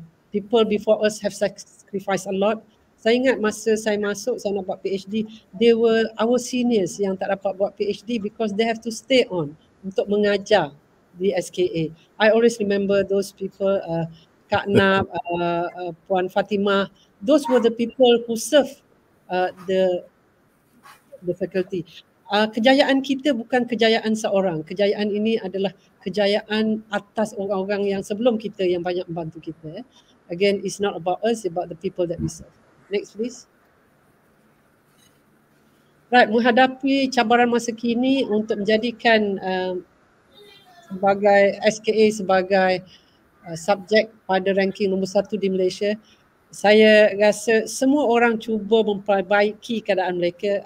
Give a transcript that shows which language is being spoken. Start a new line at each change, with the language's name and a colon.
English: People before us have sacrificed a lot.
Malay: Saya ingat masa saya masuk, saya nak buat PhD,
English: they were our seniors
Malay: yang tak dapat buat PhD
English: because they have to stay on
Malay: untuk mengajar
English: the SKA. I always remember those people, Kak Nab, Puan Fatima. Those were the people who serve the faculty.
Malay: Kejayaan kita bukan kejayaan seorang. Kejayaan ini adalah kejayaan atas orang-orang yang sebelum kita yang banyak membantu kita.
English: Again, it's not about us, it's about the people that we serve. Next, please. Right,
Malay: menghadapi cabaran masa kini untuk menjadikan sebagai SKA sebagai subjek pada ranking nombor satu di Malaysia, saya rasa semua orang cuba memperbaiki keadaan mereka.